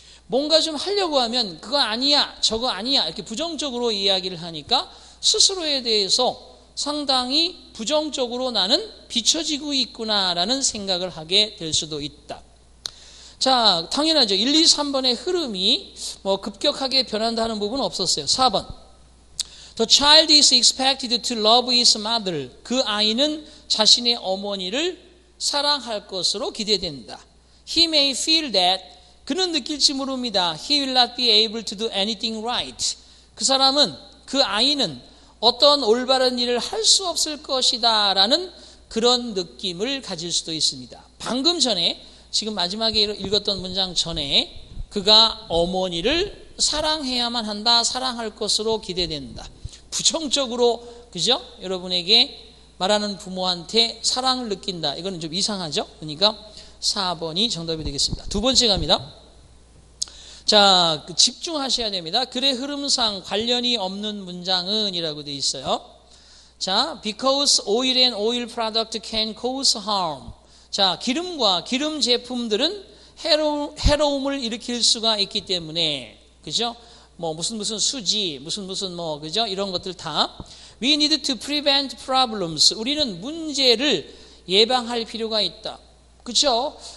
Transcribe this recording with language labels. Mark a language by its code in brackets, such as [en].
[ko] 뭔가 좀 하려고 하면 그거 아니야, 저거 아니야 이렇게 부정적으로 이야기를 하니까 스스로에 대해서 상당히 부정적으로 나는 비춰지고 있구나라는 생각을 하게 될 수도 있다. 자, 당연하죠. 1, 2, 3번의 흐름이 뭐 급격하게 변한다는 부분은 없었어요. [en] 4번, The child is expected to love his mother. 그 아이는 자신의 어머니를 사랑할 것으로 기대된다. He may feel that. [ko] 그는 느낄지 모릅니다. [en] He will not be able to do anything right. [ko] 그 사람은, 그 아이는 어떤 올바른 일을 할 수 없을 것이다 라는 그런 느낌을 가질 수도 있습니다. 방금 전에, 지금 마지막에 읽었던 문장 전에 그가 어머니를 사랑해야만 한다, 사랑할 것으로 기대된다. 부정적으로, 그죠? 여러분에게 말하는 부모한테 사랑을 느낀다. 이거는 좀 이상하죠? 그러니까 4번이 정답이 되겠습니다. 두 번째 갑니다. 자, 집중하셔야 됩니다. 글의 흐름상 관련이 없는 문장은 이라고 되어 있어요. [en] 자, because oil and oil product can cause harm. [ko] 자, 기름과 기름 제품들은 해로움을 일으킬 수가 있기 때문에 그죠? 뭐 무슨 무슨 수지, 무슨 무슨 뭐 그죠? 이런 것들 다. [en] We need to prevent problems. [ko] 우리는 문제를 예방할 필요가 있다. 그죠?